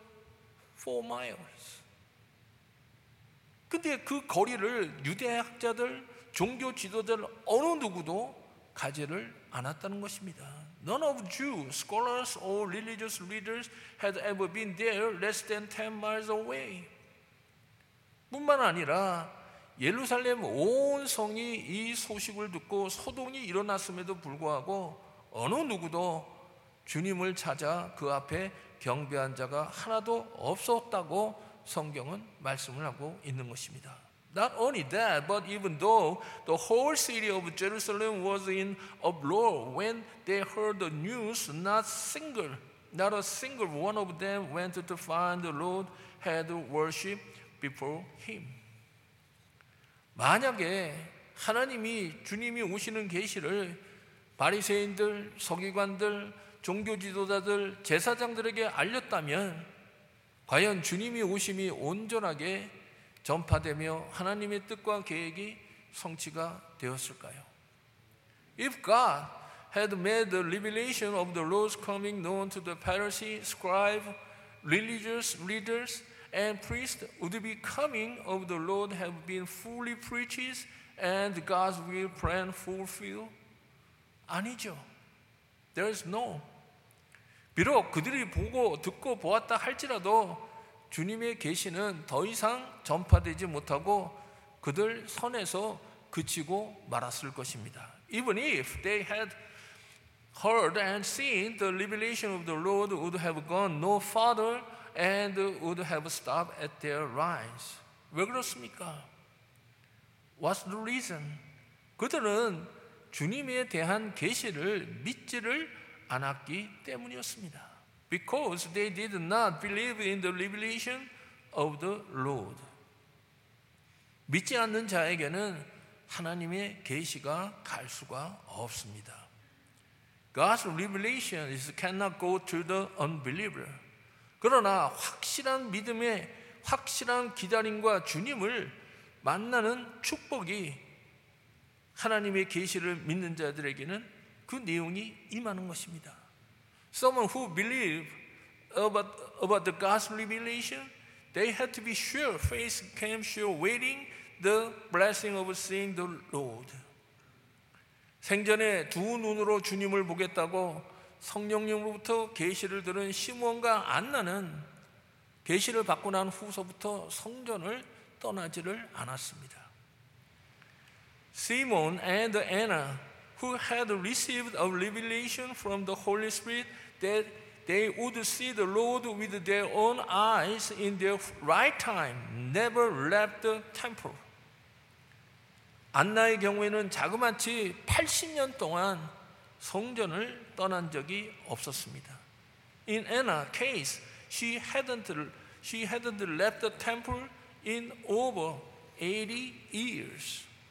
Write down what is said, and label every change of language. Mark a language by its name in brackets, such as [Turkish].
[English] From Jerusalem to Bethlehem, the distance is only four miles. [Korean] 근데 그 거리를 유대 학자들, 종교 지도자들 어느 누구도 가지를 않았다는 것입니다. [English] None of Jews, scholars or religious leaders had ever been there less than 10 miles away. [Korean] 뿐만 아니라 예루살렘 온 성이 이 소식을 듣고 소동이 일어났음에도 불구하고 어느 누구도 주님을 찾아 그 앞에 경배한 자가 하나도 없었다고 성경은 말씀을 하고 있는 것입니다. [English] Not only that, but even though the whole city of Jerusalem was in uproar when they heard the news, not a single one of them went to find the Lord had worshiped before him. [Korean] 만약에 하나님이 주님이 오시는 계시를 바리새인들, 서기관들, 종교 지도자들, 제사장들에게 알렸다면 과연 주님이 오심이 온전하게 전파되며 하나님의 뜻과 계획이 성취가 되었을까요? [English] If God had made the revelation of the Lord's coming known to the Pharisee, scribe, religious leaders, and priest, would the coming of the Lord have been fully preached and God's will plan fulfilled? [Korean] 아니죠. [English] There is no. [Korean] 비록 그들이 보고 듣고 보았다 할지라도 주님의 계시는 더 이상 전파되지 못하고 그들 선에서 그치고 말았을 것입니다. [English] Even if they had heard and seen the revelation of the Lord would have gone no farther and would have stopped at their lines. [Korean] 왜 그렇습니까? [English] What's the reason? [Korean] 그들은 주님에 대한 계시를 믿지를 않았기 때문이었습니다. [English] Because they did not believe in the revelation of the Lord. [Korean] 믿지 않는 자에게는 하나님의 계시가 갈 수가 없습니다. [English] God's revelation is cannot go to the unbeliever. [Korean] 그러나 확실한 믿음의 확실한 기다림과 주님을 만나는 축복이 하나님의 계시를 믿는 자들에게는 그 내용이 임하는 것입니다. [English] Someone who believe about the God's revelation, they had to be sure, face came sure, waiting the blessing of seeing the Lord. [Korean] 생전에 두 눈으로 주님을 보겠다고 성령님으로부터 계시를 들은 시므온과 안나는 계시를 받고 난 후서부터 성전을 떠나지를 않았습니다. [English] Simon and Anna, who had received a revelation from the Holy Spirit that they would see the Lord with their own eyes in their right time, never left the temple. [Korean] 안나의 경우에는 자그마치 80년 동안 성전을 떠난 적이 없었습니다. [English] In Anna's case, she hadn't left the temple in over 80 years.